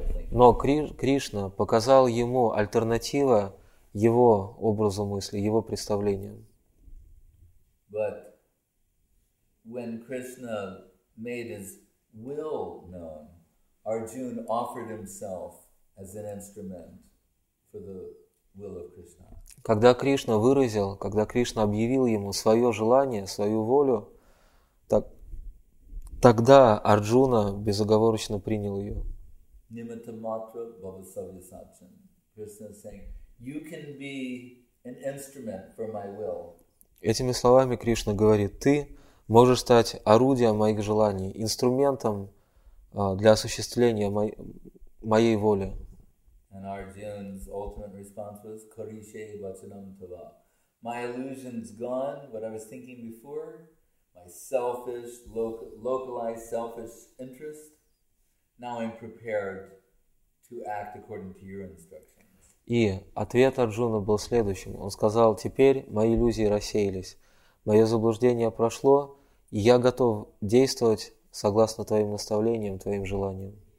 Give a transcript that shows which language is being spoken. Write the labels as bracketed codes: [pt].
[ru] Но Кришна показал ему альтернатива его образу мысли, его представлениям. [en] But when Krishna made his will known, Arjuna offered himself as an instrument for the will of Krishna. [ru] Когда Кришна выразил, когда Кришна объявил ему свое желание, свою волю, тогда Арджуна безоговорочно принял ее. [sa] Nimitta matra bhavasavya satyam. [en] Krishna saying, you can be an instrument for my will. [ru] Этими словами Кришна говорит: ты можешь стать орудием моих желаний, инструментом для осуществления моей воли. [en] And Arjuna's ultimate response was [sa] Karishe Vachanam Tava. [en] My illusion's gone, what I was thinking before, my selfish, localized selfish interest. Now I'm prepared to act according to your instructions. [ru] И ответ Арджуны был следующим. Он сказал: теперь мои иллюзии рассеялись, мое заблуждение прошло, и я готов действовать согласно твоим наставлениям, твоим желаниям.